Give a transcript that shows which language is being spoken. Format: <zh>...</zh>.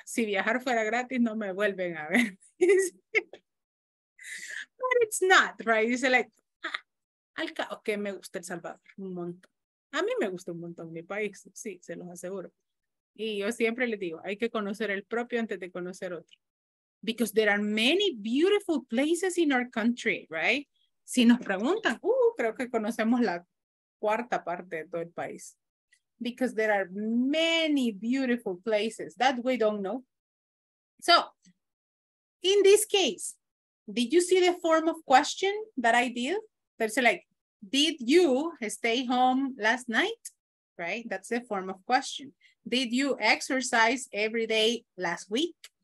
<es>Si viajar fuera gratis, no me vuelven a ver.</es> <en>But it's not, right? You say like,</en> <es>que me gusta El Salvador un montón. A mí me gusta un montón mi país. Sí, se los aseguro. Y yo siempre les digo, hay que conocer el propio antes de conocer otro.</es> <en>Because there are many beautiful places in our country, right?</en> <es>Si nos preguntan, creo que conocemos la cuarta parte de todo el país.</es> <en>Because there are many beautiful places that we don't know. So, in this case, did you see the form of question that I did? That's like, did you stay home last night? Right? That's the form of question. Did you exercise every day last week?</en>